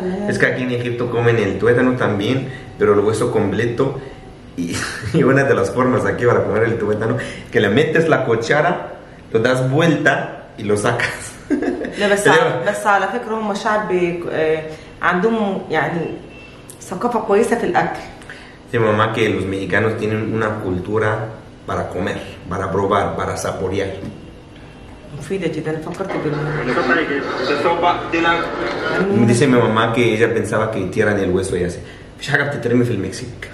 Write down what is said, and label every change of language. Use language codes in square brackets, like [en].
[es] Es que aquí en Egipto comen el tuétano también, pero el hueso completo. Y una de las formas aquí para comer el tuétano, que le metes la cuchara, lo das vuelta y lo sacas. [ar] لا بس على بس على فكرة هم شعب بي عندهم يعني ثقافة كويسة في الأكل. [es] Sí, mamá, que los mexicanos tienen una cultura para comer, para probar, para saborear. [ar] مفيدة جدا فكرت بالموضوع. [es] Dice mi mamá que ella pensaba que tiran el hueso y así. [ar] مش حاجة بتترمي في المكسيك.